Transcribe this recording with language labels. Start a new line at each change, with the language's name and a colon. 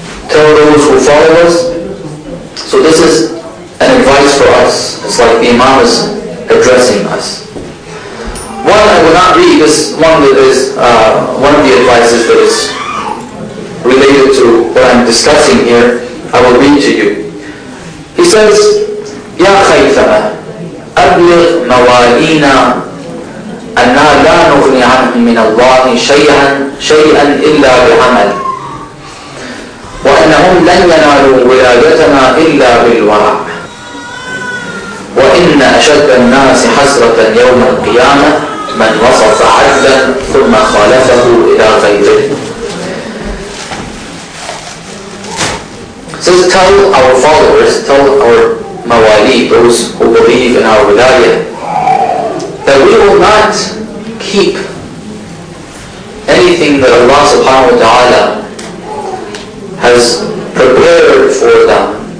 English: Tell those who follow us. So this is an advice for us. It's like the Imam is addressing us. One, I will not read this one, that is one of the advices that is related to what I'm discussing here. I will read to you. He says,
Arabic: Ya Khaythama, أبلغ موالينا أننا لا نغني عنهم من الله شيئا إلا بعمل وأنهم لن ينالوا ولادتنا إلا بالورع وإن أشد الناس حسرة يوم القيامة من وصف عدلا ثم خالفه إلى غيره.
English: Says, tell our followers, tell our mawali, those who believe in our wilayah, that we will not keep anything that Allah subhanahu wa ta'ala has prepared for them.